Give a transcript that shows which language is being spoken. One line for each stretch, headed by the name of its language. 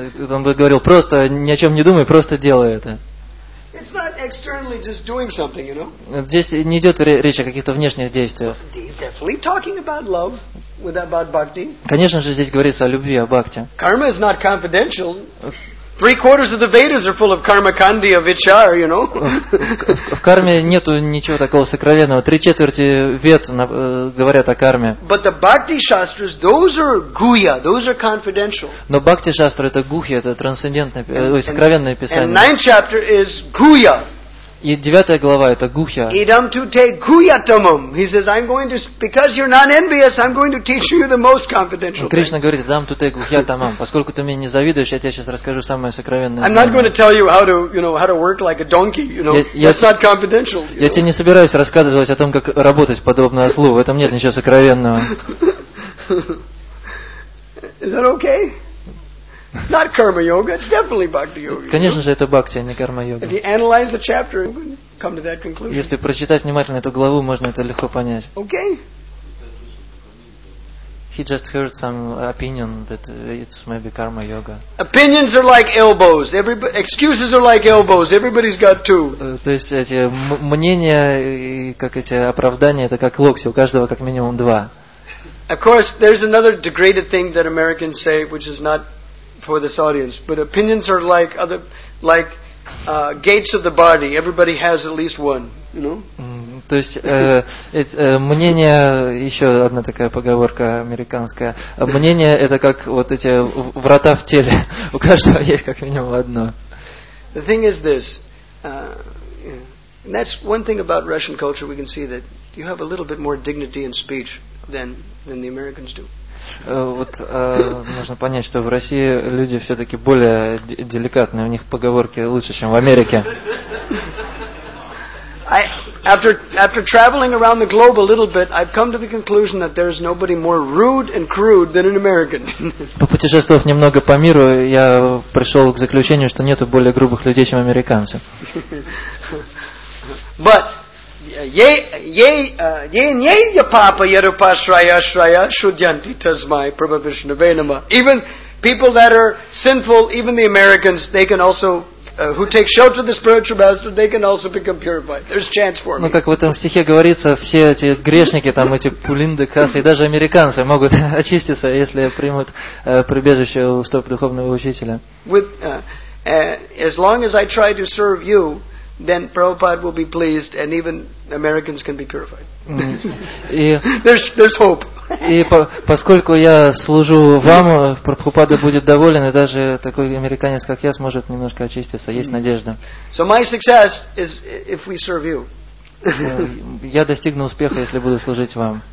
Russian: Он бы говорил, просто ни о чем не думай, просто делай это.
English: It's not externally just doing something, you know.
Russian: Здесь не идет речь о каких-то внешних действиях.
English: He's definitely talking about love, about bhakti.
Russian: Конечно же, здесь говорится о любви, о бхакти.
English: Karma is not confidential. Three quarters of the Vedas are full of karma kandiya vichar, you know.
Russian: В карме нету ничего такого сокровенного. Три четверти вед говорят о карме.
English: But the bhakti shastras, those are guhya, those are confidential.
Russian: Но бхакти шастры это гухи, это трансцендентное, сокровенное писание.
English: And ninth chapter is guhya.
Russian: И девятая глава это гухья.
Sanskrit: Idam tu te guhyatamam.
English: He says, I'm going to, because you're not envious, I'm going to teach you the most confidential.
Russian: Кришна говорит,
Sanskrit: Idam tu te guhyatamam.
Russian: Поскольку ты мне не завидуешь, я тебе сейчас расскажу самое сокровенное.
English: I'm not going to tell you how to, you know, how to work like a donkey. You know, that's not confidential.
Russian: Я тебе не собираюсь рассказывать о том, как работать подобно ослу. В этом нет ничего сокровенного.
English: Is that okay? It's not karma yoga. It's definitely bhakti yoga.
Russian: Конечно же, это бхакти, а не карма йога.
English: If you analyze the chapter, you can come to that conclusion.
Russian: Если прочитать внимательно эту главу, можно это легко понять.
English: Okay. He just heard some opinion that it's maybe karma yoga. Opinions are like elbows. Excuses are like elbows. Everybody's got two.
Russian: То есть эти мнения и как эти оправдания это как локти, у каждого как минимум два.
English: Of course, there's another degraded thing that Americans say, which is not for this audience, but opinions are like other, like gates of the body. Everybody has at least one, you know.
Russian: То есть мнение еще одна такая поговорка американская. Мнение это как вот эти врата в теле. У каждого есть как минимум одно.
English: The thing is this, and that's one thing about Russian culture. We can see that you have a little bit more dignity in speech than the Americans do.
Russian: Вот нужно понять, что в России люди все-таки более деликатные, у них поговорки лучше, чем в Америке.
English: After traveling around the globe a little bit, I've come to the conclusion that there's nobody more rude and crude than an American.
Russian: Попутешествовав немного по миру, я пришел к заключению, что нету более грубых людей, чем американцы.
English: But Even People that are sinful, even the Americans, they can also, who take shelter of the spiritual master, they can also become purified. There's a chance for me.
Russian: Ну, как в этом стихе говорится, все эти грешники, там эти пулинды, касы, и даже американцы могут очиститься, если примут прибежище у столь духовного учителя.
English: As long as I try to serve you, then Prabhupada will be pleased, and even Americans can be purified. there's hope.
Russian: И поскольку я служу вам, Прабхупада будет доволен, и даже такой американец, как я, сможет немножко очиститься. Есть надежда.
English: So my success is if we serve you.
Russian: Я достигну успеха, если буду служить вам.